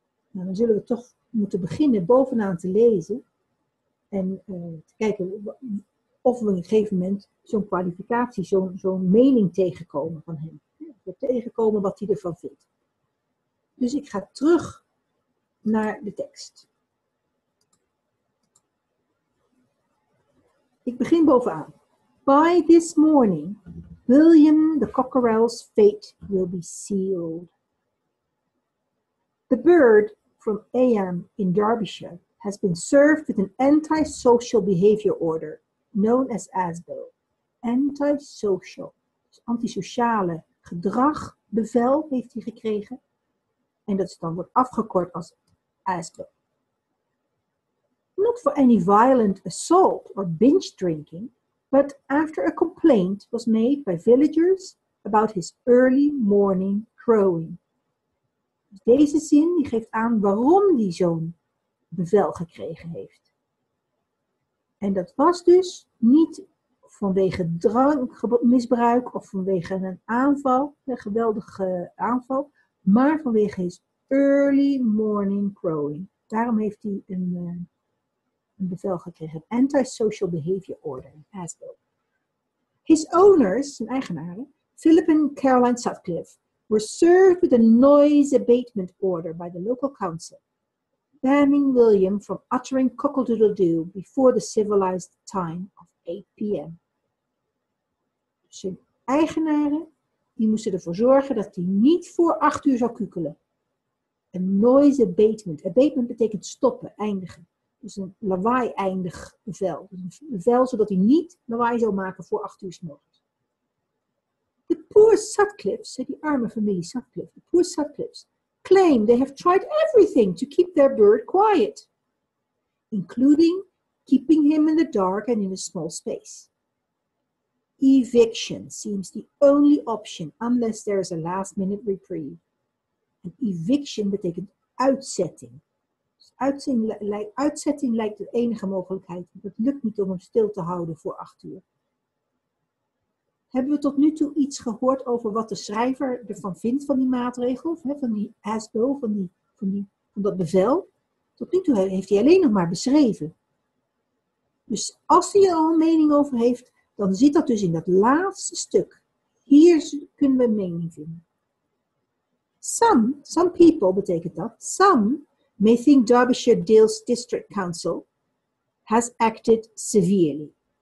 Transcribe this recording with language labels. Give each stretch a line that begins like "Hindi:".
Dutch: Nou, dan zullen we toch moeten beginnen bovenaan te lezen. En te kijken of we op een gegeven moment zo'n kwalificatie, zo'n mening tegenkomen van hem. Tegenkomen wat hij ervan vindt. Dus ik ga terug naar de tekst. Ik begin bovenaan.
English: By this morning, William the Cockerel's fate will be sealed. The bird from Eyam in Derbyshire has been served with an antisocial behavior order. Known as ASBO,
Dutch: antisocial, dus antisociale gedragbevel heeft hij gekregen. En dat dan wordt afgekort als ASBO.
English: Not for any violent assault or binge drinking, but after a complaint was made by villagers about his early morning crowing.
Dutch: Deze zin die geeft aan waarom hij zo'n bevel gekregen heeft. En dat was dus niet vanwege drankmisbruik of vanwege een aanval, een geweldige aanval, maar vanwege
English: his early morning crowing.
Dutch: Daarom heeft hij een bevel gekregen, een antisocial behavior order, ASBO.
English: His owners,
Dutch: zijn eigenaren,
English: Philip and Caroline Sutcliffe, were served with a noise abatement order by the local council. Banning William from uttering cockle-doodle-doo before the civilized time of 8 p.m.
Dutch: Zijn eigenaren die moesten ervoor zorgen dat hij niet voor 8 uur zou kukelen. Een noise abatement. Abatement betekent stoppen, eindigen. Dus een lawaai-eindig bevel. Een bevel zodat hij niet lawaai zou maken voor 8 uur 's morgens.
English: The poor Sutcliffe,
Dutch: die arme familie Sutcliffe,
English: the poor Sutcliffe, claim they have tried everything to keep their bird quiet, including keeping him in the dark and in a small space. Eviction seems the only option unless there is a last minute reprieve.
Dutch: And eviction betekent uitzetting. Uitzetting lijkt de enige mogelijkheid, want het lukt niet om hem stil te houden voor 8 uur. Hebben we tot nu toe iets gehoord over wat de schrijver ervan vindt van die maatregel? Van die ASBO, van dat bevel? Tot nu toe heeft hij alleen nog maar beschreven. Dus als hij er al een mening over heeft, dan zit dat dus in dat laatste stuk. Hier kunnen we een mening vinden.
English: Some people,
Dutch: betekent dat,
English: some may think Derbyshire Dales District Council has acted severely.